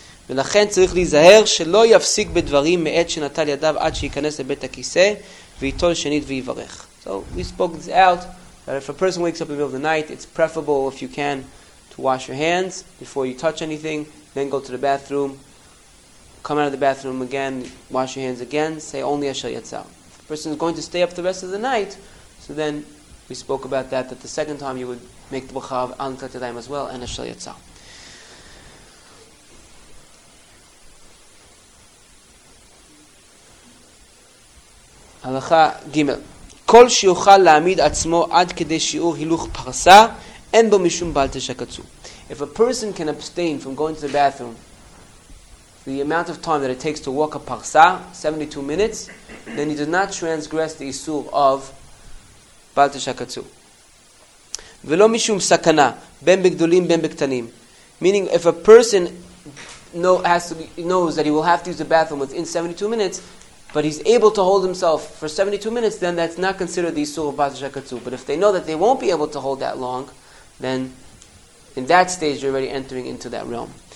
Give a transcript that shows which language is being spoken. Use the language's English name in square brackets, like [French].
[Hebrew] ולכן צריך להיזהר שלא יפסיק בדברים מעת שנטל ידיו עד שייכנס לבית הכיסא ויטול שנית ויברך. [English] So we spoke this out, that if a person wakes up in the middle of the night, it's preferable, if you can, to wash your hands before you touch anything, then go to the bathroom, come out of the bathroom again, wash your hands again, say only Asher Yatzal. If a person is going to stay up the rest of the night, so then we spoke about that the second time you would make the bracha of Al Netilat Yadayim as well, and Asher Yatzal. [Hebrew] הלכה ג' כל שיוכל להעמיד עצמו עד כדי שיעור הילוך פרסה אין בו משום בעל תשקצו. [English] If a person can abstain from going to the bathroom the amount of time that it takes to walk a parsa, 72 minutes, then he does not transgress the איסור of בעל תשקצו. [Hebrew] ולא משום סכנה בין בגדולים בין בקטנים. [English] Meaning if a person knows that he will have to use the bathroom within 72 minutes but he's able to hold himself for 72 minutes, then that's not considered the Isur of Bat Shakatsu. But if they know that they won't be able to hold that long, then in that stage you're already entering into that realm.